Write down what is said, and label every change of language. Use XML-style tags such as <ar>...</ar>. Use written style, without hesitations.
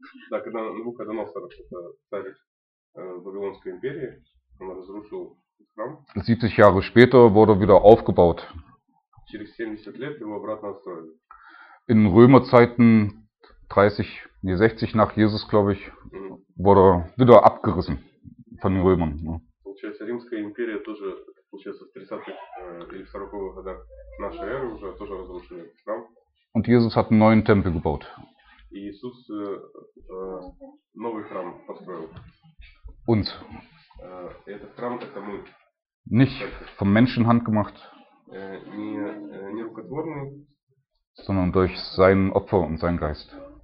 <ru>Da когда Nebukadnezar царь Вавилонской империи, он разрушил храм.</ru> <de>70 Jahre später wurde wieder aufgebaut.</de> <ru>Через 70 лет его обратно отстроили.</ru> <de>In Römerzeiten 60 nach Jesus, glaube ich, wurde wieder abgerissen von den Römern.</de> <ru>Получается, Римская империя тоже, получается, в 30-х или 40-х годах нашей эры уже тоже разрушили храм.</ru> <de>Und Jesus hat einen neuen Tempel gebaut.</de> <ru>Иисус новый храм построил.</ru> <de>Und</de> <ru>этот храм, это мы.</ru> <de>Nicht von Menschenhand gemacht.</de> <ru>Не рукотворный,</ru> <de>sondern durch sein Opfer und seinen Geist.</de>